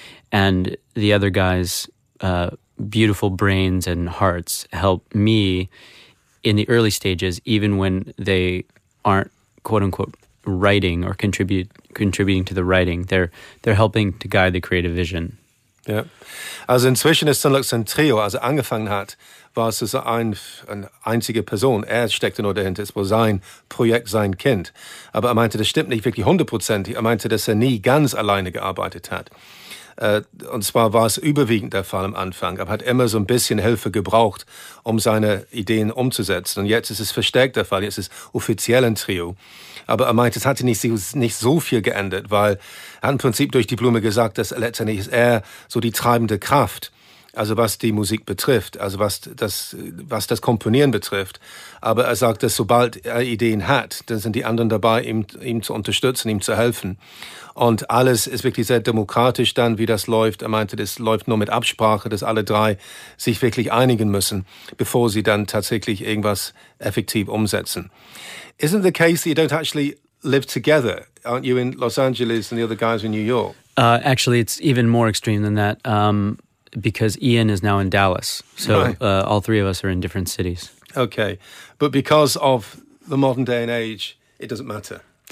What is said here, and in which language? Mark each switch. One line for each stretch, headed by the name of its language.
English: And the other guys' beautiful brains and hearts help me in the early stages, even when they aren't, quote-unquote, writing or contributing to the writing. They're helping to guide the creative vision.
German: Ja. Also inzwischen ist Sun Lux ein Trio. Also angefangen hat, war es eine einzige Person. Er steckte nur dahinter. Es war sein Projekt, sein Kind. Aber er meinte, das stimmt nicht wirklich hundertprozentig. Er meinte, dass er nie ganz alleine gearbeitet hat. Und zwar war es überwiegend der Fall am Anfang, aber hat immer so ein bisschen Hilfe gebraucht, um seine Ideen umzusetzen. Und jetzt ist es verstärkt der Fall, jetzt ist es offiziell ein Trio. Aber er meinte, es hatte nicht so viel geändert, weil er hat im Prinzip durch die Blume gesagt, dass letztendlich ist er so die treibende Kraft, also was die Musik betrifft, also was das Komponieren betrifft. Aber er sagt, dass sobald er Ideen hat, dann sind die anderen dabei, ihm zu unterstützen, ihm zu helfen. Und alles ist wirklich sehr demokratisch dann, wie das läuft. Er meinte, das läuft nur mit Absprache, dass alle drei sich wirklich einigen müssen, bevor sie dann tatsächlich irgendwas effektiv umsetzen.
English: Isn't the case that you don't actually live together? Aren't you in Los Angeles and the other guys in New York? Actually, it's even more extreme than that. Because Ian is now in Dallas. So all three of us are in different cities. Okay. But because of the modern day and age, it doesn't matter.